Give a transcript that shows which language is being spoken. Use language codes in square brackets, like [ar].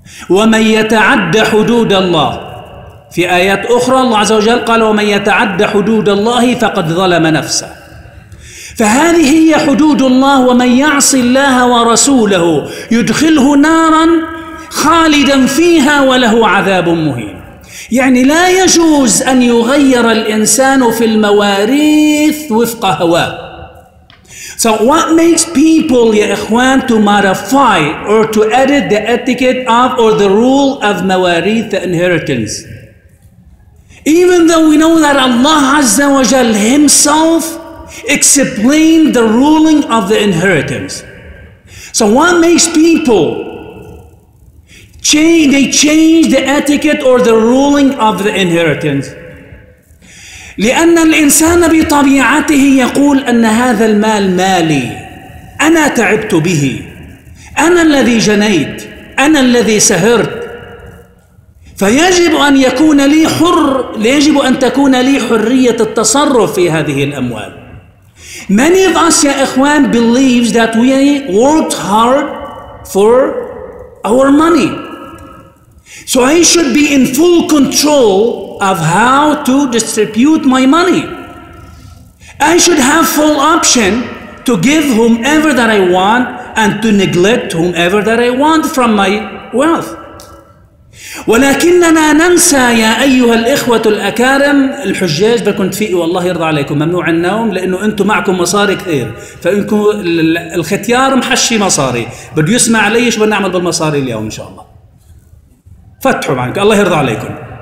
[ar] ومن يتعد حدود الله في آيات أخرى الله عز وجل قال ومن يتعد حدود الله فقد ظلم نفسه فهذه هي حدود الله ومن يعص الله ورسوله يدخله نارا خالدا فيها وله عذاب مهين. يعني لا يجوز أن يغير الإنسان في المواريث وفق هواه. [en] So what makes people, [ar] يا إخوان, [en] to modify or to edit the etiquette of or the rule of mawarith, the inheritance? Even though we know that Allah Azza wa Jal Himself explained the ruling of the inheritance. So what makes people change the etiquette or the ruling of the inheritance? [ar] لأن الإنسان بطبيعته يقول أن هذا المال مالي، أنا تعبت به، أنا الذي جنيت، أنا الذي سهرت، فيجب أن يكون لي حر، يجب أن تكون لي حرية التصرف في هذه الأموال. [en] Many of us, [ar] يا إخوان, [en] believes that we worked hard for our money. So I should be in full control of how to distribute my money. I should have full option to give whomever that I want and to neglect whomever that I want from my wealth. [ar] ولكننا ننسى يا أيها الإخوة الأكارم الحجاج بكنت فيه والله يرضى عليكم ممنوع النوم لأنه أنتم معكم مصاري كثير فإنكم الختيار محشي مصاري بده يسمع علي شو بنعمل بالمصاري اليوم إن شاء الله فتحوا معك الله يرضى عليكم